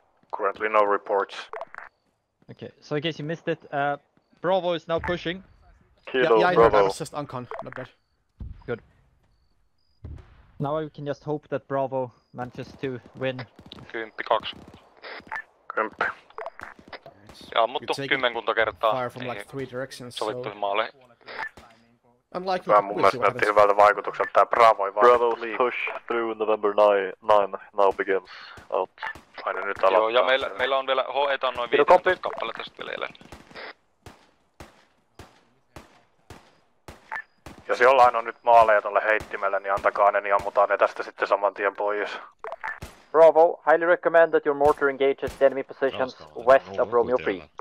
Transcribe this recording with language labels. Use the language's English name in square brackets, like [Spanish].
[English] Currently no reports. Okay, so in case you missed it, Bravo is now pushing. Kilo, yeah, yeah, Bravo. I heard, I was just uncon, not bad. Good. Now we can just hope that Bravo manages to win. [Finnish] Kymppi kaks. Kymppi. Ja ammuttu kymmenkunta kertaa. [English] Fire from like three directions. [Finnish] Sovittu maali. [English] Unlike you, [Finnish] mun mielestä näytti hyvältä vaikutukselta tää Bravo. [English] Bravo's push through November 9 now begins. Out. [Finnish] Aina nyt aloittaa. Joo, ja meillä on vielä HE:tä noin 15 kappale tästä vielä. Jos jollain on nyt maaleja tolle heittimelle, niin antakaa ne, niin ammutaan ne tästä sitten saman tien pois. [English] Bravo, highly recommend that your mortar engages the enemy positions west of Romeo 3.